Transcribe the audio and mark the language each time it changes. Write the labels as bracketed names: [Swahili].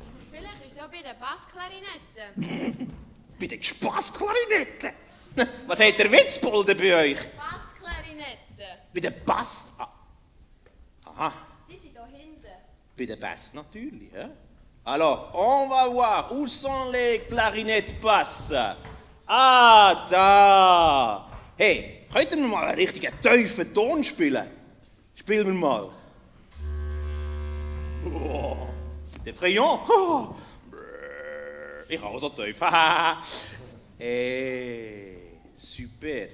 [German] Vielleicht ist es auch bei den Bassklarinetten. Bei den Spassklarinetten? Was hat der Witzbolder bei euch? Bassklarinetten. Bei den Bass... Aha. Die sind da hinten. Bei den Bass natürlich, hä? [French] Alors, on va voir où sont les clarinettes basses. [German] Ah, da! Hey, könnten wir mal einen richtigen tiefen Ton spielen? Spielen wir mal. [French] Oh, c'est effrayant. Oh. [German] Ich habe so tief. Hey, super.